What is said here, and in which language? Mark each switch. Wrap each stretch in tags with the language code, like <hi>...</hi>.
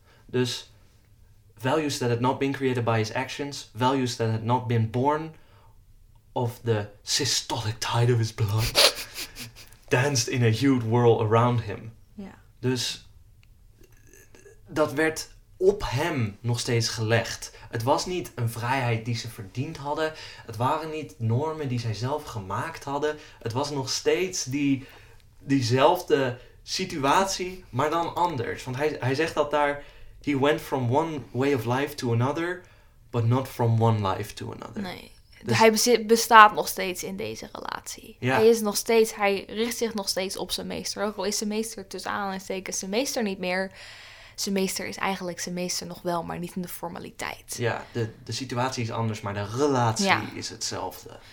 <nl>Dus,</nl> <en>values that had not been created by his actions. Values that had not been born of the systolic tide of his blood. danced in a huge whirl around him. Yeah.</en> <nl>Dus, dat werd op hem nog steeds gelegd. Het was niet een vrijheid die ze verdiend hadden. Het waren niet normen die zij zelf gemaakt hadden. Het was nog steeds diezelfde situatie, maar dan anders. Want hij zegt dat daar...</nl> <en>He went from one way of life to another, but not from one life to another.</en> <nl>Nee, dus... hij bestaat nog steeds in deze relatie. Ja. Hij is nog steeds, hij richt zich nog steeds op zijn meester. Ook al is zijn meester tussen aanhalingstekens zijn meester niet meer... Zijn meester is eigenlijk zijn meester nog wel, maar niet in de formaliteit. Ja, de situatie is anders, maar de relatie is hetzelfde.</nl>